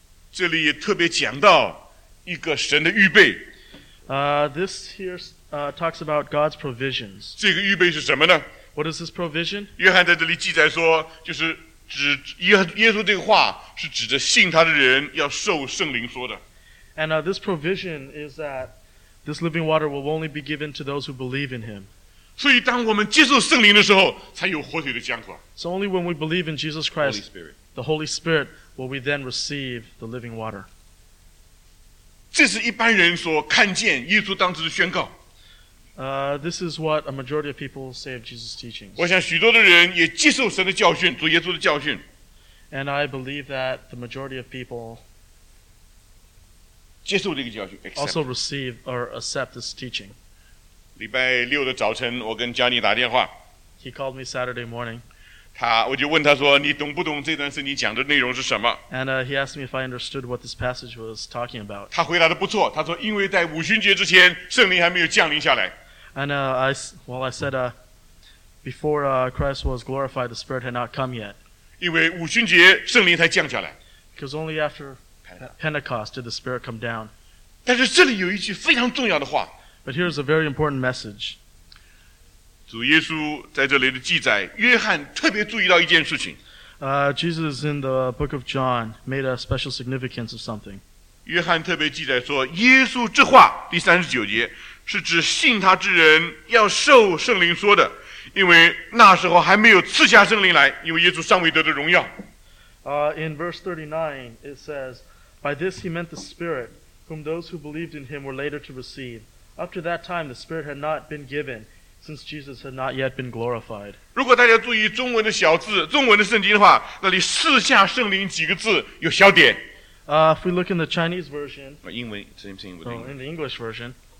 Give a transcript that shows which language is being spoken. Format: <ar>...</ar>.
<zh>这里也特别讲到一个神的预备。</zh> <en>This here talks about God's provisions.</en> <zh>这个预备是什么呢？</zh> <en>What is this provision?</en> <zh>约翰在这里记载说，就是。耶稣这个话是指着信他的人要受圣灵说的。</zh> <en>And this provision is that this living water will only be given to those who believe in him.</en> <zh>所以当我们接受圣灵的时候才有活水的江河。</zh> <en>So only when we believe in Jesus Christ, Holy Spirit. The Holy Spirit, will we then receive the living water.</en> <zh>这是一般人所看见耶稣当时的宣告。</zh> <en>This is what a majority of people say of Jesus' teachings.</en> <zh>我想许多的人也接受神的教训，主耶稣的教训。</zh> <en>And I believe that the majority of people</en> <zh>接受这个教训 accept.</zh> <en>Also receive or accept this teaching.</en> <zh>礼拜六的早晨，我跟 Johnny 打电话。</zh> <en>He called me Saturday morning.</en> <zh>我就问他说，你懂不懂这段圣经讲的内容是什么？</zh> <en>And he asked me if I understood what this passage was talking about.</en> <zh>他回答的不错，他说因为在五旬节之前，圣灵还没有降临下来。</zh> <en>And I said, before Christ was glorified, the Spirit had not come yet.</en> <zh>因为五旬节圣灵才降下来。</zh> <en>Because only after Pentecost did the Spirit come down.</en> <zh>但是这里有一句非常重要的话。</zh> <en>But here's a very important message.</en> <zh>主耶稣在这里的记载，约翰特别注意到一件事情。</zh> <en>Jesus in the book of John made a special significance of something.</en> <zh>约翰特别记载说，耶稣这话第三十九节。是指信他之人要受圣灵说的，因为那时候还没有赐下圣灵来，因为耶稣尚未得的荣耀。</zh> <en>In verse 39, it says, By this he meant the Spirit, whom those who believed in him were later to receive. Up to that time, the Spirit had not been given, since Jesus had not yet been glorified.</en> <zh>如果大家注意中文的小字，中文的圣经的话，那里赐下圣灵几个字有小点。</zh> <en>If we look in the Chinese version, 英文 same thing with English. In the English version.</en>